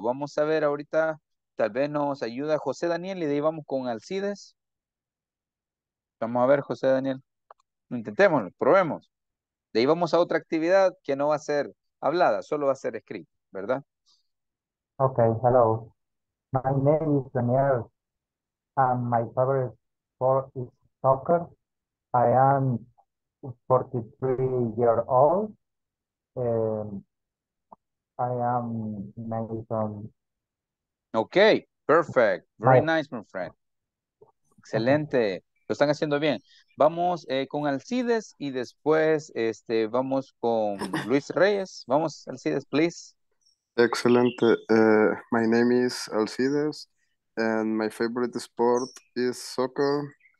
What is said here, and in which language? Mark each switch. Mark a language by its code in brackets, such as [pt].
[es] Vamos a ver ahorita, tal vez nos ayuda José Daniel y de ahí vamos con Alcides. Vamos a ver, José Daniel. Intentémoslo, probemos. De ahí vamos a otra actividad que no va a ser hablada, solo va a ser escrito, ¿verdad? [en] Okay, hello. My name is Daniel, and my favorite sport is soccer. I am 43 years old. I am Mason. Okay, perfect. Very nice, my friend. [es] Excelente. Lo están haciendo bien. Vamos con Alcides y después vamos con Luis Reyes. Vamos, Alcides, please. Excelente. [en] My name is Alcides and my favorite sport is soccer.